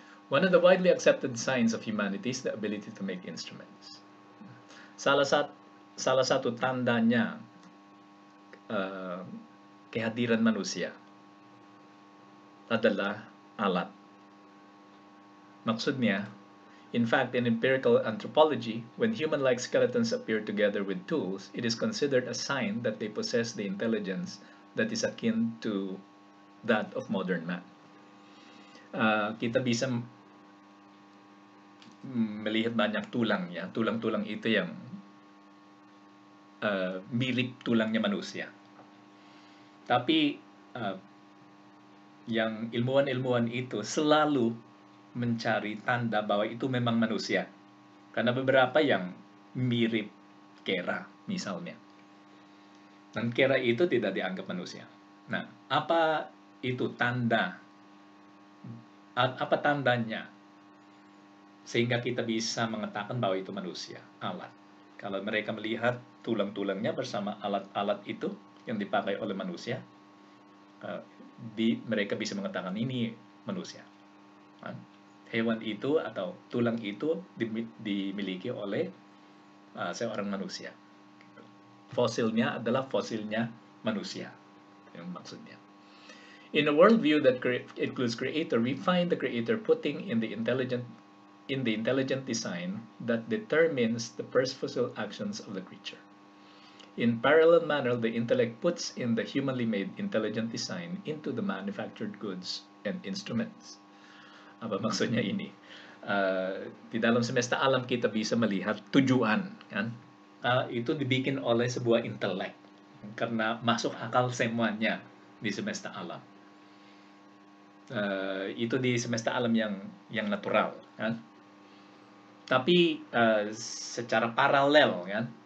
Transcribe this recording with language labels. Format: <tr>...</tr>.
<en>One of the widely accepted signs of humanity is the ability to make instruments.</en> <id>Salah satu tandanya kehadiran manusia adalah alat. Maksudnya,</id> <en>in fact, in empirical anthropology, when human-like skeletons appear together with tools, it is considered a sign that they possess the intelligence that is akin to that of modern man.</en> <id>Kita bisa melihat banyak tulang, ya. Tulang-tulang itu yang mirip tulangnya manusia. Tapi yang ilmuwan-ilmuwan itu selalu mencari tanda bahwa itu memang manusia. Karena beberapa yang mirip kera, misalnya. Dan kera itu tidak dianggap manusia. Nah, apa itu tanda? Apa tandanya? Sehingga kita bisa mengatakan bahwa itu manusia, alat. Kalau mereka melihat tulang-tulangnya bersama alat-alat itu yang dipakai oleh manusia, mereka bisa mengatakan ini manusia. Hewan itu atau tulang itu dimiliki oleh seorang manusia. Fosilnya adalah fosilnya manusia, yang maksudnya.</id> <en>In a worldview that includes creator, we find the creator putting in the intelligent design that determines the purposeful actions of the creature. In parallel manner, the intellect puts in the humanly made intelligent design into the manufactured goods and instruments.</en> <id>Apa maksudnya ini? Di dalam semesta alam kita bisa melihat tujuan, kan? Itu dibikin oleh sebuah intelek, karena masuk akal semuanya di semesta alam. Itu di semesta alam yang natural, kan? Tapi secara paralel, kan?</id>